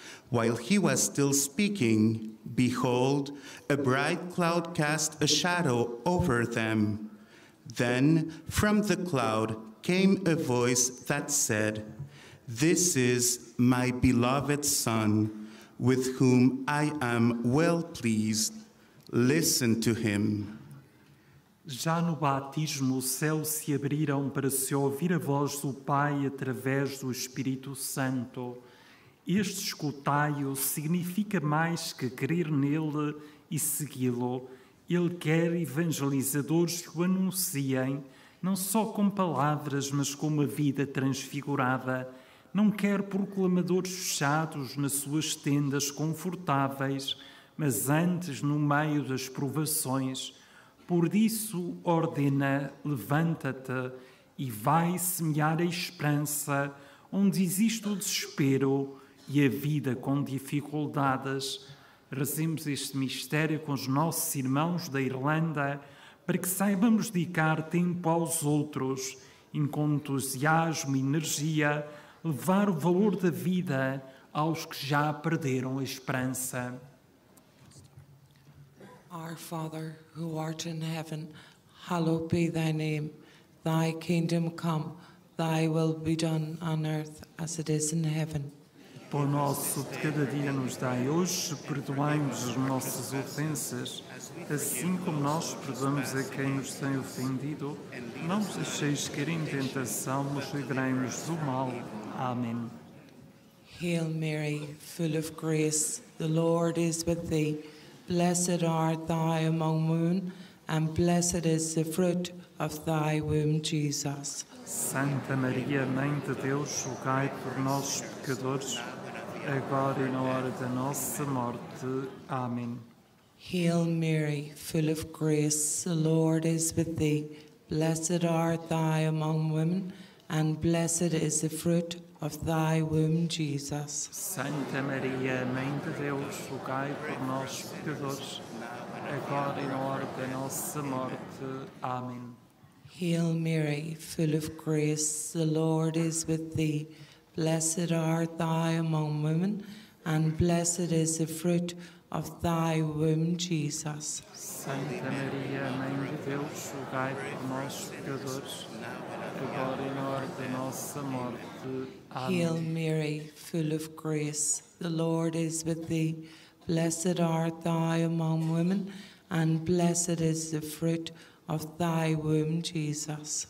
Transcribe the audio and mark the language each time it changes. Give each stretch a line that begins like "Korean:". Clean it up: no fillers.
English: While he was still speaking, behold, a bright cloud cast a shadow over them. Then from the cloud came a voice that said, This is my beloved Son, with whom I am well pleased. Listen to him.
Portuguese: Já no batismo, os céus se abriram para se ouvir a voz do Pai através do Espírito Santo. Este escutai-o significa mais que crer nele e segui-lo. Ele quer evangelizadores que o anunciem, não só com palavras, mas com uma vida transfigurada. Não quer proclamadores fechados nas suas tendas confortáveis, mas antes no meio das provações. Por isso ordena, levanta-te e vai semear a esperança onde existe o desespero e a vida com dificuldades. Rezemos este mistério com os nossos irmãos da Irlanda para que saibamos dedicar tempo aos outros, enquanto entusiasmo e energia levar o valor da vida aos que já perderam a esperança.
English: Our Father, who art in heaven, hallowed be thy name. Thy kingdom come, thy will be done on earth as it is in heaven.
Portuguese: Pão nosso de cada dia nos dai hoje, perdoai-nos as nossas ofensas, assim como nós perdoamos a quem nos tem ofendido. Não nos deixeis cair em tentação, mas livrai-nos do mal. Amém.
English: Hail Mary, full of grace, the Lord is with thee. Blessed art thou among women, and blessed is the fruit of thy womb, Jesus.
Portuguese: Santa Maria, Mãe de Deus, rogai por nós, pecadores, agora e na hora da nossa morte. Amém.
English: Hail Mary, full of grace, the Lord is with thee. Blessed art thou among women, and blessed is the fruit of thy womb, Jesus.
Portuguese: Santa Maria, Mãe de Deus, rogai por nós, pecadores, agora e na hora da nossa morte. Amém.
English: Hail Mary, full of grace, the Lord is with thee. Blessed art thou among women, and blessed is the fruit of thy womb, Jesus.
Portuguese: Santa Maria, Mãe de Deus, rogai por nós, pecadores, agora e na hora da nossa morte. Amém.
English: Hail Mary, full of grace, the Lord is with thee. Blessed art thou among women, and blessed is the fruit of thy womb, Jesus.